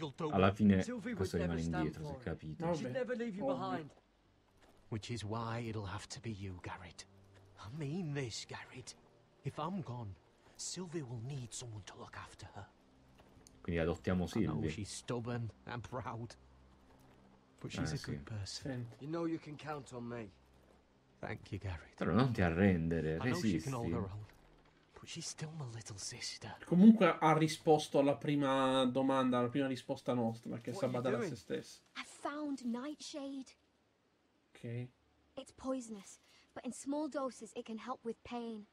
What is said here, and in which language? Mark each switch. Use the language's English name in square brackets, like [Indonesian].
[Italian] Alla fine questo rimane indietro, se capito. [English] Which is why it'll have to be you, Garrett. I mean this, Garrett. If I'm gone, Sylvie will need someone to look after her. [Italian] Quindi adottiamo Sylvie. [English] I know she's stubborn and proud, but she's a good person. You know you can count on me. Thank you, Garrett. [Italian] Però non ti arrendere, resisti. [English] I know she can hold her own, but she's still my little sister. [Italian] Comunque ha risposto alla prima domanda, alla prima risposta nostra, perché sa badare a se stessa. [English] I found Nightshade. Okay. It's poisonous, but in small doses it can help with pain.